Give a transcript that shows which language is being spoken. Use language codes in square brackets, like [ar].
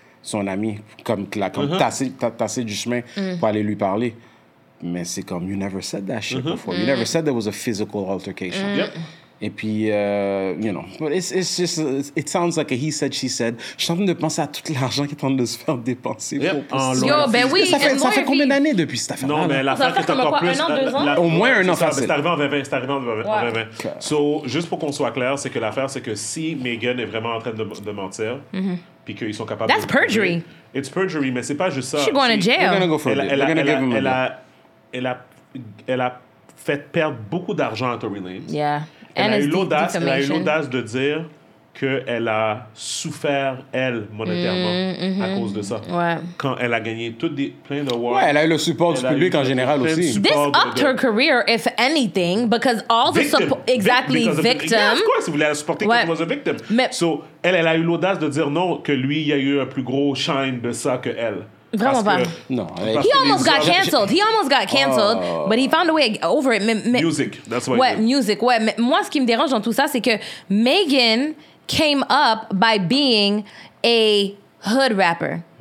[fr] son ami, comme qu'il a comme tassé du chemin pour aller lui parler. Mais c'est comme, [en] you never said that shit before. You never said there was a physical altercation. [fr] Et puis, [en] you know, but it's just, it sounds like a he said, she said. [fr] Je suis en train de penser à tout l'argent qui est en train de se faire dépenser. Yo, ben oui, ça fait combien d'années depuis cette affaire-là? Non, mais l'affaire est encore plus... Au moins un an, ça c'est arrivé en 2020, c'est arrivé en 2020. So, juste pour qu'on soit clair, c'est que l'affaire, c'est que si Megan est vraiment en train de mentir, puis qu'ils sont capables... [en] That's perjury. It's perjury, [fr] mais c'est pas juste ça. [en] She's going to jail. They're going to go for it. They're going to give him a [fr] Elle a fait perdre beaucoup d'argent à Tory Lanez. [en] Yeah. [fr] Elle a eu l'audace de dire qu'elle a souffert, elle, monétairement, à cause de ça. Ouais. Quand elle a gagné plein d'awards. Ouais, elle a eu le support du public en général aussi. [en] This upped her career, if anything, because all the support... Exactly, victim. Yeah, of course, [fr] si vous voulez la supporter, [en] because she was a victim. [fr] Mais, so, elle a eu l'audace de dire non, que lui, il y a eu un plus gros shine de ça que elle. Vraiment pas. Non. [en] He almost got canceled. But he found a way over it. Music. That's what. [fr] Ouais, music. Ouais. Mais moi, ce qui me dérange dans tout ça, c'est que [en] Megan came up by being a hood rapper.